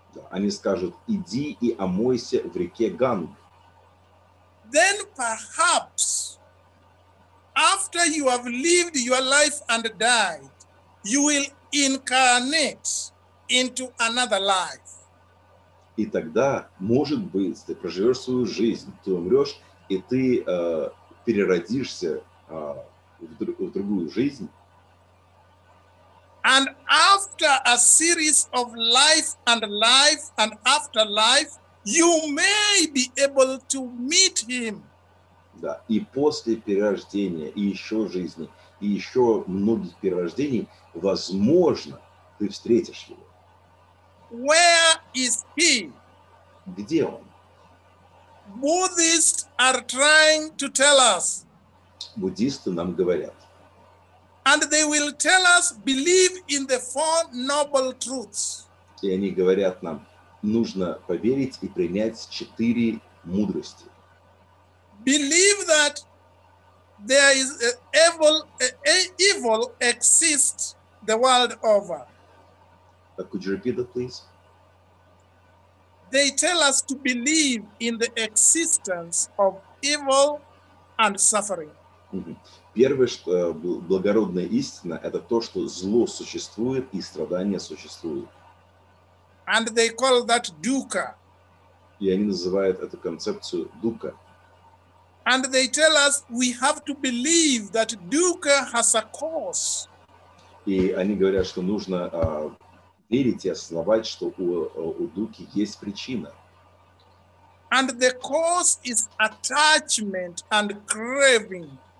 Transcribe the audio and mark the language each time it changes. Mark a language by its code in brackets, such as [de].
[ru] Они скажут, иди и омойся в реке Ганг. [en] Then perhaps, after you have lived your life and died, you will incarnate into another life. [ru] И тогда, может быть, ты проживешь свою жизнь, ты умрешь, и ты переродишься в другую жизнь. [en] And after a series of life and life and after life, you may be able to meet him. [ru] Да, и после перерождения, и еще жизни, и еще многих перерождений, возможно, ты встретишь его. [en] Where is he? [ru] Где он? [en] Buddhists are trying to tell us. [ru] Буддисты нам говорят. [en] And they will tell us, believe in the four noble truths. [ru] И они говорят нам, нужно поверить и принять четыре мудрости. [en] Believe that there is evil exists the world over. Could you repeat that, please? They tell us to believe in the existence of evil and suffering. [ru] Первое, что благородная истина, это то, что зло существует и страдания существуют. [en] And they call that dukkha. [ru] И они называют эту концепцию dukkha. [en] And they tell us we have to believe that dukkha has a cause. [ru] И они говорят, что нужно верить и основать, что у dukkhи есть причина. [en] And the cause is attachment and craving.